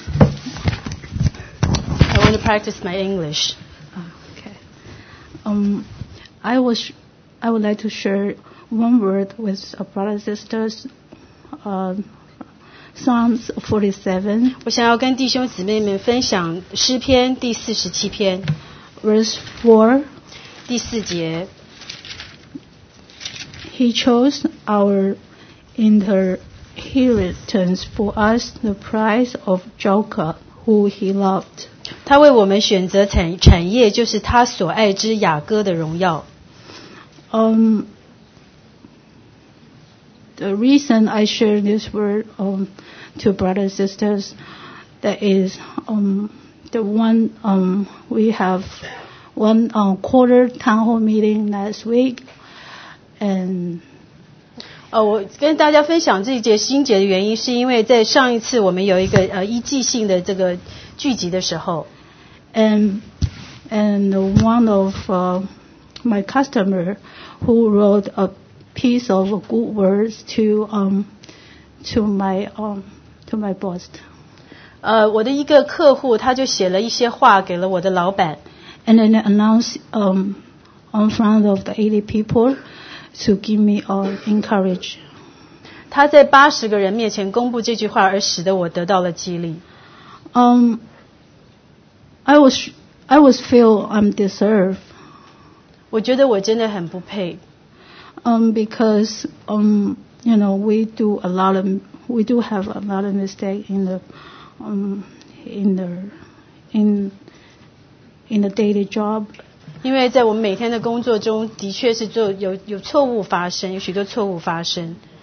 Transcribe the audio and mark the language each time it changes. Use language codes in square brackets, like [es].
[en] I want to practice my English. Okay. I would like to share one word with a brother and sisters. Psalms 47. [zh] 我想要跟弟兄姊妹们分享诗篇第四十七篇 [en] ，verse 4, [zh] 第四节。 [en] He chose our inheritance for us, the prize of Jacob, who he loved. [zh] 他为我们选择产业，就是他所爱之雅各的荣耀。 [en] The reason I share this word to brothers and sisters, that is the one we have one quarter town hall meeting last week, and [zh] 我跟大家分享这一节心结的原因，是因为在上一次我们有一个一季性的这个聚集的时候 [en] ，and one of my customer who wrote a. piece of good words to my boss. [zh] 我的一个客户他就写了一些话给了我的老板。 [en] And then announced in front of the 80 people to give me encourage. [zh] 他在八十个人面前公布这句话，而使得我得到了激励。 [en] I was feel I'm deserve. [zh] 我觉得我真的很不配。 [en] Because you know we do have a lot of mistake in the daily job. [zh] 因为在我们每天的工作中，的确是做有错误发生，有许多错误发生。